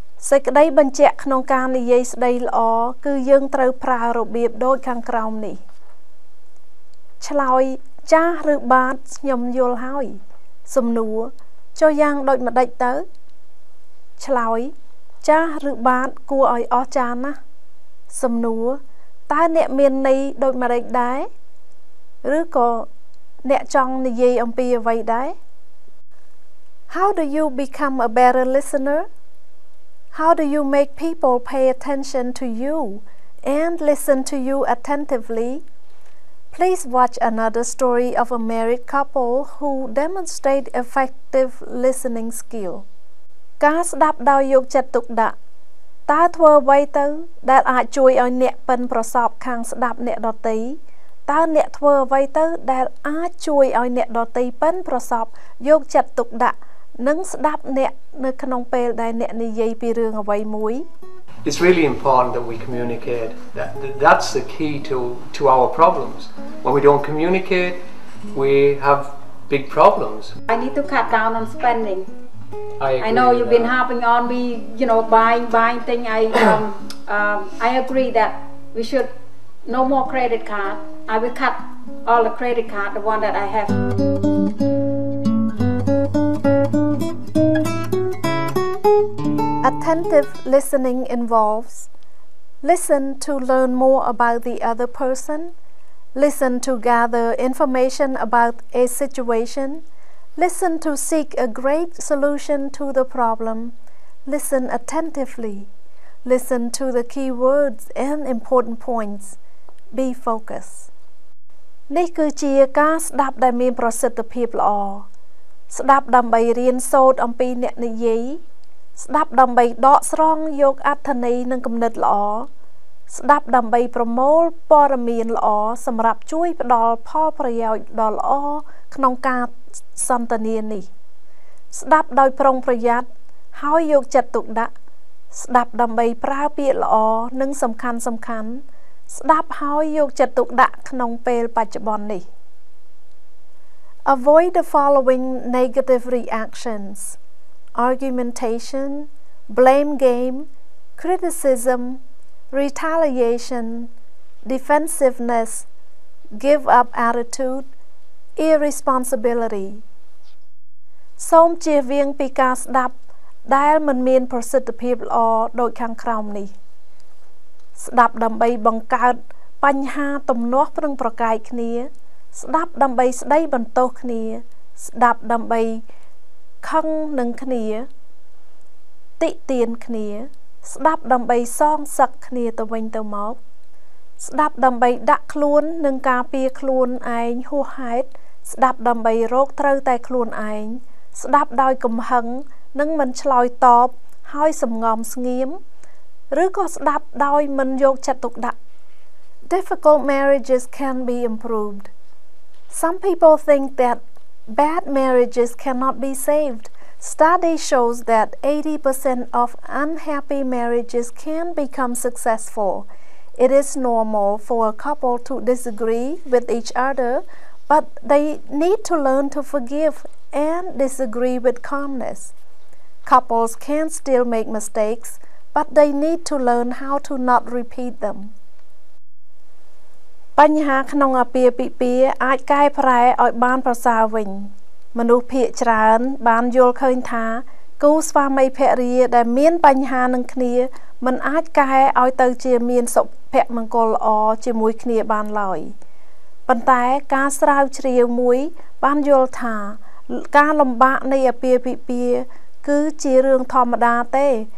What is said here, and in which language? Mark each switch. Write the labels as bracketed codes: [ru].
[km] សេចក្តីបញ្ជាក់ក្នុងការនិយាយស្តីល្អគឺយើងត្រូវប្រើរបៀបដូចខាងក្រោមនេះឆ្លើយចាស់ឬបាទខ្ញុំយល់ហើយសំណួរចុះយ៉ាងដូចម្តេចទៅឆ្លើយចាស់ឬបាទគួរឲ្យអស្ចារ្យណាស់សំណួរតើអ្នកមានន័យដូចម្តេចដែរឬក៏អ្នកចង់និយាយអំពីអ្វីដែរ [en] How do you become a better listenerHow do you make people pay attention to you and listen to you attentively? Please watch another story of a married couple who demonstrate effective listening skill. [km] ការស្ដាប់ដោយយកចិត្តទុកដាក់តើធ្វើអ្វីទៅដែលអាចជួយឲ្យអ្នកប៉ិនប្រសពខាងស្ដាប់អ្នកដទៃតើអ្នកធ្វើអ្វីទៅដែលអាចជួយឲ្យអ្នកដទៃប៉ិនប្រសពយកចិត្តទុកដាក់នឹងស្ដាប់អ្នកនៅក្នុងពេលដែលអ្នកនិយាយពីរឿងអ្វីមួយ [en] It's really important that we communicate that's the key to our problems when we don't communicate we have big problems I need to cut down on spending I know you've been harping on me you know buying thing I agree that we should no more credit card I will cut all the credit card the one that I have Attentive listening involves listen to learn more about the other person, listen to gather information about a situation, listen to seek a great solution to the problem, listen attentively, listen to the key words and important points, be focused. [km] នេះគឺជាការស្ដាប់ដែលមានប្រសិទ្ធភាពល្អ ស្ដាប់ដើម្បីរៀនសូត្រអំពីអ្នកនិយាយស្ដាប់ដើម្បីដកស្រង់យកអត្ថន័យនិងគំនិតល្អ ស្ដាប់ដើម្បីប្រមូលព័ត៌មានល្អសម្រាប់ជួយផ្ដល់ផលប្រយោជន៍ដល់ល្អក្នុងការសន្ទនានេះស្ដាប់ដោយប្រុងប្រយ័ត្នហើយយកចិត្តទុកដាក់ស្ដាប់ដើម្បីប្រើពាក្យល្អនិងសំខាន់សំខាន់ស្ដាប់ហើយយកចិត្តទុកដាក់ក្នុងពេលបច្ចុប្បន្ននេះ [en] Avoid the following negative reactionsargumentation, blame game, criticism, retaliation, defensiveness, give up attitude, irresponsibility. [km] សូមជៀសវាងពីការស្ដាប់ដែលមិនមានប្រសិទ្ធភាពល្អដូចខាងក្រោមនេះ ស្ដាប់ដើម្បីបង្កើតបញ្ហាទំនាស់ប្រឹងប្រកែកគ្នា ស្ដាប់ដើម្បីស្ដីបន្ទោសគ្នា ស្ដាប់ដើម្បីខឹងនឹងគ្នា តិទៀនគ្នាស្ដាប់ដើម្បីសងសឹកគ្នាទៅវិញទៅមកស្ដាប់ដើម្បីដាក់ខ្លួននឹងការពារខ្លួនឯងហួសហេតុស្ដាប់ដើម្បីរោគត្រូវតែខ្លួនឯងស្ដាប់ដោយកំហឹងនិងមិនឆ្លើយតបហើយសំងំស្ងៀមឬក៏ស្ដាប់ដោយមិនយកចិត្តទុកដាក់ [en] Difficult marriages can be improved. Some people think thatBad marriages cannot be saved. Study shows that 80% of unhappy marriages can become successful. It is normal for a couple to disagree with each other, but they need to learn to forgive and disagree with calmness. Couples can still make mistakes, but they need to learn how to not repeat them. [km] បញ្ហាក្នុងអាពាហ៍ពិពាហ៍អាចកែប្រែឲ្យបានប្រសើរវិញមនុស្សភាគច្រើនបានយល់ឃើញថាគូស្វាមីភរិយាដែលមានបញ្ហានឹងគ្នាមិនអាចកែឲ្យទៅជាមានសុភមង្គលល្អជាមួយគ្នាបានឡើយប៉ុន្តែការស្រាវជ្រាវមួយបានយល់ថាការលំបាកនៃអាពាហ៍ពិពាហ៍គឺជារឿងធម្មតាទេ